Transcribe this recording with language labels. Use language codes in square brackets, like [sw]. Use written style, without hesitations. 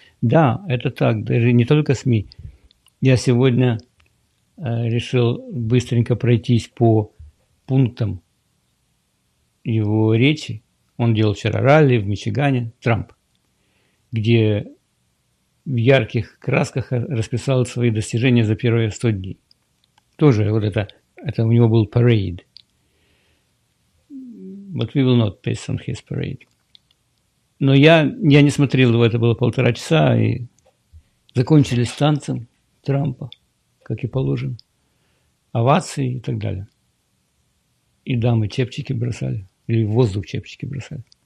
[ru] Да, это так, даже не только СМИ. Я сегодня решил быстренько пройтись по пунктам его речи. Он делал вчера ралли в Мичигане, Трамп, где в ярких красках расписал свои достижения за первые 100 дней. Тоже вот это у него был парейд. [en] But we will not piss on his parade. [ru] Но я не смотрел его, это было полтора часа, и закончились танцем Трампа, как и положено, овации и так далее. И дамы чепчики бросали. Или в воздух чепчики бросали.